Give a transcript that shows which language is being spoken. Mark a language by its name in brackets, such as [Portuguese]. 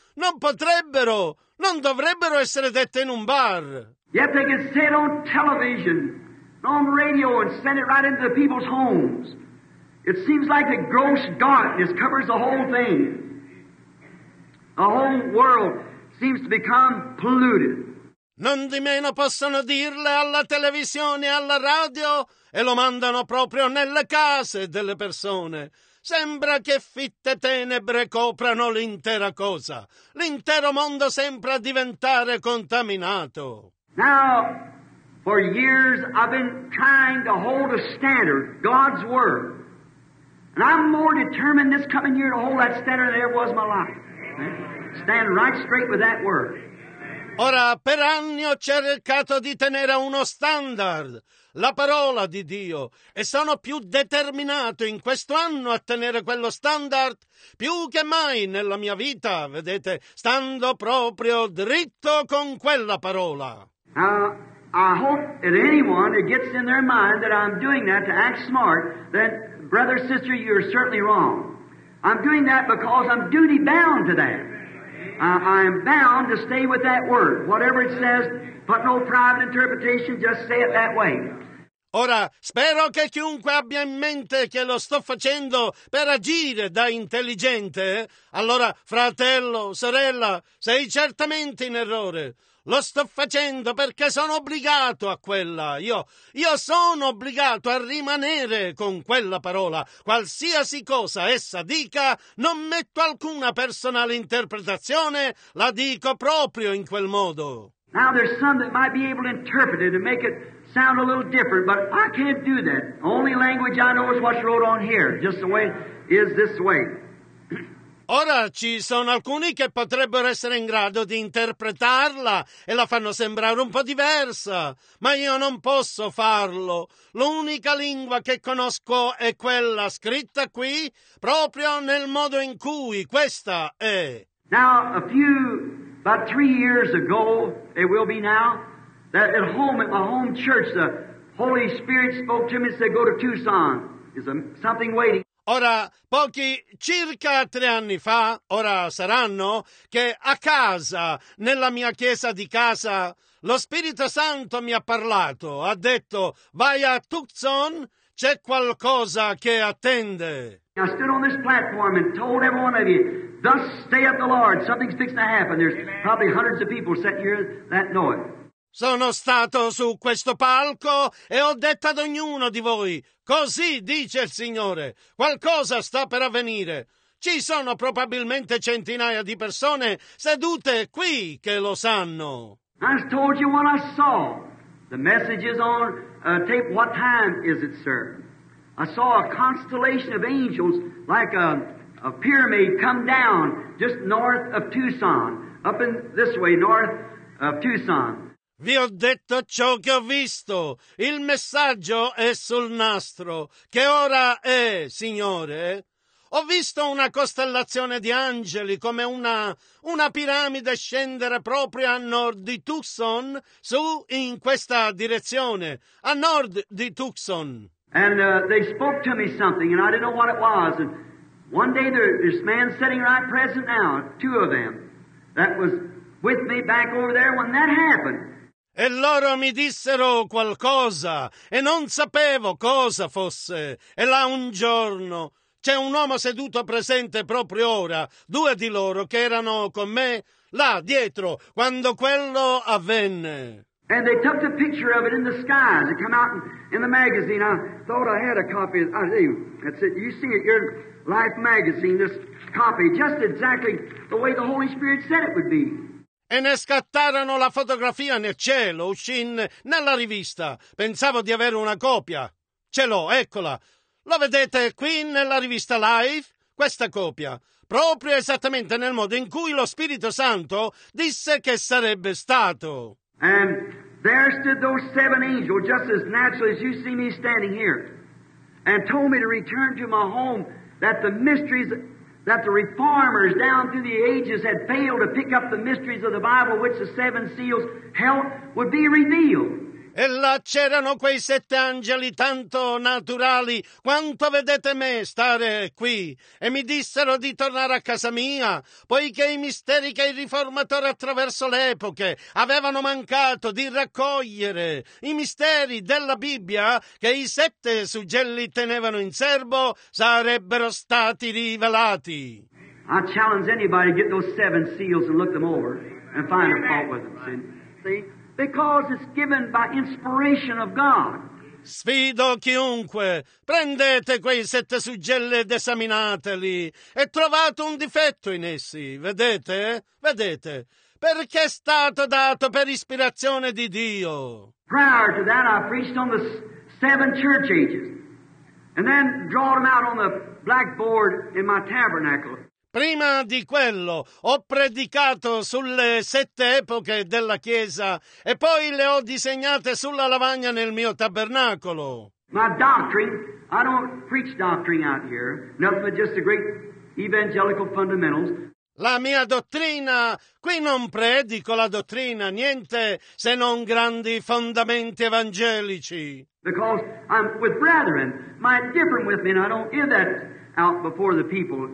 [Italian] Non potrebbero, non dovrebbero essere dette in un bar. [English] Yet they can say it on television, on radio, and send it right into the people's homes. It seems like a gross darkness covers the whole thing. The whole world seems to become polluted. [Italian] Non di meno possono dirle alla televisione e alla radio e lo mandano proprio nelle case delle persone. Sembra che fitte tenebre coprano l'intera cosa. L'intero mondo sembra diventare contaminato. [English] Now, for years I've been trying to hold a standard, God's Word. And I'm more determined this coming year to hold that standard than ever was in my life. Stand right straight with that word. [Italian] Ora, per anni ho cercato di tenere uno standard, la parola di Dio, e sono più determinato in questo anno a tenere quello standard più che mai nella mia vita, vedete, stando proprio dritto con quella parola. [English] I hope that anyone that gets in their mind that I'm doing that to act smart, then brother, sister, you're certainly wrong. I'm doing that because I'm duty bound to that. I'm bound to stay with that word. Whatever it says, put no private interpretation, just say it that way. [Italian] Ora, spero che chiunque abbia in mente che lo sto facendo per agire da intelligente. Allora, fratello, sorella, sei certamente in errore. Lo sto facendo perché sono obbligato a quella. Io sono obbligato a rimanere con quella parola. Qualsiasi cosa essa dica, non metto alcuna personale interpretazione, la dico proprio in quel modo. [English] Now there's some that might be able to interpret it and make it sound a little different, but I can't do that. The only language I know is what's wrote on here, just the way is this way. [Italian] Ora ci sono alcuni che potrebbero essere in grado di interpretarla e la fanno sembrare un po' diversa, ma io non posso farlo. L'unica lingua che conosco è quella scritta qui, proprio nel modo in cui questa è. [English] Now, about 3 years ago, it will be now, that at home, at my home church, the Holy Spirit spoke to me and said, go to Tucson. There's something waiting. [Italian] Ora, pochi, circa 3 anni fa, ora saranno, che a casa, nella mia chiesa di casa, lo Spirito Santo mi ha parlato, ha detto, vai a Tucson, c'è qualcosa che attende. [English] I stood on this platform and told every one of you, thus saith the Lord, something's fixing to happen. There's probably hundreds of people sitting here that know it. [Italian] Sono stato su questo palco e ho detto ad ognuno di voi, così dice il Signore, qualcosa sta per avvenire. Ci sono probabilmente centinaia di persone sedute qui che lo sanno. [English] I told you what I saw. The message is on tape. What time is it, sir? I saw a constellation of angels like a pyramid come down just north of Tucson, up in this way, north of Tucson. [Italian] Vi ho detto ciò che ho visto. Il messaggio è sul nastro. Che ora è, Signore? Ho visto una costellazione di angeli come una piramide scendere proprio a nord di Tucson, su in questa direzione, a nord di Tucson. [English] And they spoke to me something, and I didn't know what it was. And one day this man sitting right present now, two of them, that was with me back over there when that happened. [Italian] E loro mi dissero qualcosa, e non sapevo cosa fosse. E là un giorno c'è un uomo seduto presente proprio ora, due di loro che erano con me, là dietro, quando quello avvenne. [English] And they took the picture of it in the skies. It came out in the magazine. I thought I had a copy. That's it. You see it, your Life magazine, this copy, just exactly the way the Holy Spirit said it would be. [Italian] E ne scattarono la fotografia nel cielo, uscì nella rivista. Pensavo di avere una copia. Ce l'ho, eccola. Lo vedete qui nella rivista Life? Questa copia. Proprio esattamente nel modo in cui lo Spirito Santo disse che sarebbe stato. [English] And there stood those seven angels, just as naturally as you see me standing here, and told me to return to my home, that the mysteries that the reformers down through the ages had failed to pick up, the mysteries of the Bible which the seven seals held, would be revealed. [Italian] E là c'erano quei sette angeli tanto naturali quanto vedete me stare qui, e mi dissero di tornare a casa mia, poiché i misteri che i riformatori attraverso le epoche avevano mancato di raccogliere, i misteri della Bibbia che i sette suggelli tenevano in serbo, sarebbero stati rivelati. [English] I challenge anybody to get those seven seals and look them over and find a fault with them. See? Because it's given by inspiration of God. [Italian] Sfido chiunque, prendete quei sette suggelli ed esaminateli, e trovate un difetto in essi, vedete? Vedete? Perché è stato dato per ispirazione di Dio. [English] Prior to that I preached on the seven church ages, and then draw them out on the blackboard in my tabernacle. [Italian] Prima di quello ho predicato sulle sette epoche della Chiesa e poi le ho disegnate sulla lavagna nel mio tabernacolo. [English] My doctrine, I don't preach doctrine out here, nothing but just the great evangelical fundamentals. [Italian] La mia dottrina, qui non predico la dottrina, niente se non grandi fondamenti evangelici. [English] Because I'm with brethren, might differ with me, and I don't give that out before the people.